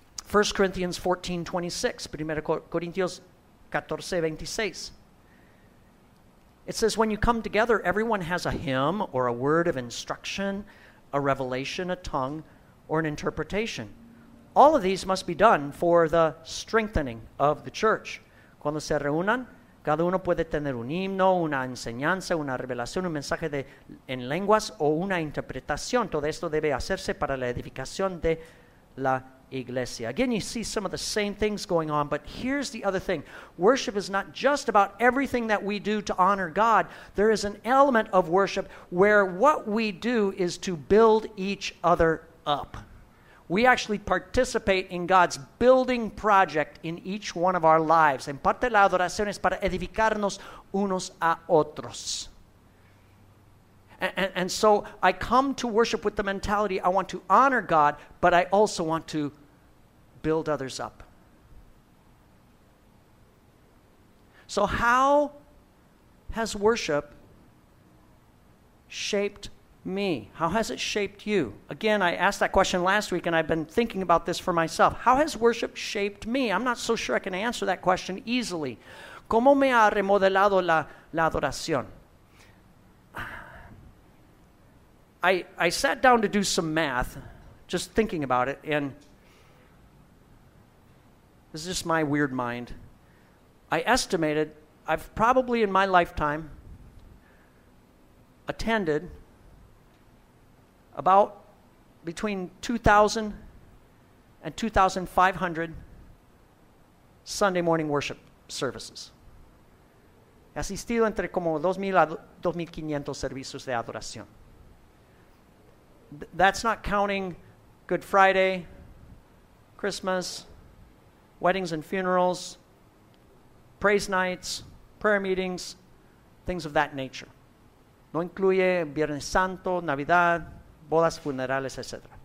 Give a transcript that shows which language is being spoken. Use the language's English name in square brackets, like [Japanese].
[English] 1 Corinthians 14:26. 1 Corinthians 14:26. It says, when you come together, everyone has a hymn or a word of instruction, a revelation, a tongue, or an interpretation. All of these must be done for the strengthening of the church. [Spanish] Cuando se reúnan, cada uno puede tener un himno, una enseñanza, una revelación, un mensaje en lenguas o una interpretación. Todo esto debe hacerse para la edificación de la iglesia. [English] Again, you see some of the same things going on, but here's the other thing. Worship is not just about everything that we do to honor God. There is an element of worship where what we do is to build each other up. We actually participate in God's building project in each one of our lives. [Spanish] En parte la adoración es para edificarnos unos a otros. [English] And so I come to worship with the mentality I want to honor God, but I also want to build others up. So how has worship shaped me? How has it shaped you? Again, I asked that question last week and I've been thinking about this for myself. How has worship shaped me? I'm not so sure I can answer that question easily. [Spanish] ¿Cómo me ha remodelado la adoración? [English] I sat down to do some math, just thinking about it, and this is just my weird mind. I estimated I've probably in my lifetime attended about between 2,000 and 2,500 Sunday morning worship services. [Spanish] He asistido entre como 2,000 a 2,500 servicios de adoración. [English] That's not counting Good Friday, Christmas, weddings and funerals, praise nights, prayer meetings, things of that nature. [Spanish] No incluye Viernes Santo, Navidad, bodas, funerales, etc.